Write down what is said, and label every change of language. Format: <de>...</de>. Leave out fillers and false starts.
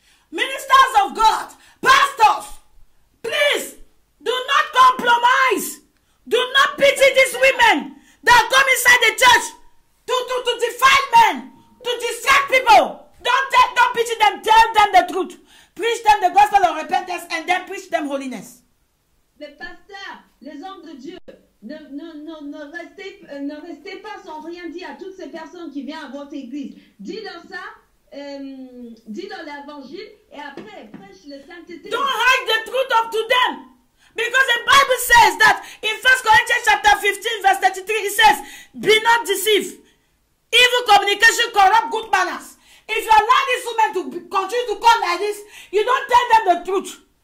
<en>Ministers of God, pastors, please, do not compromise. Do not pity these women that come inside the church to defile men, to distract people. Don't pity them. Tell them the truth. Preach them the gospel of repentance and then preach them holiness.</en> <fr>Les pasteurs, les hommes de Dieu, ne restez pas sans rien dire à toutes ces personnes qui viennent à votre église. Dis-leur ça, dis-leur l'évangile et après prêche la sainteté.</fr> <en>Don't hide the truth up to them. Because the Bible says that in 1 Corinthians chapter 15 verse 33, it says, be not deceived. Evil communication corrupt good manners. If you allow this woman to continue to call like this, you don't tell them the truth.</en>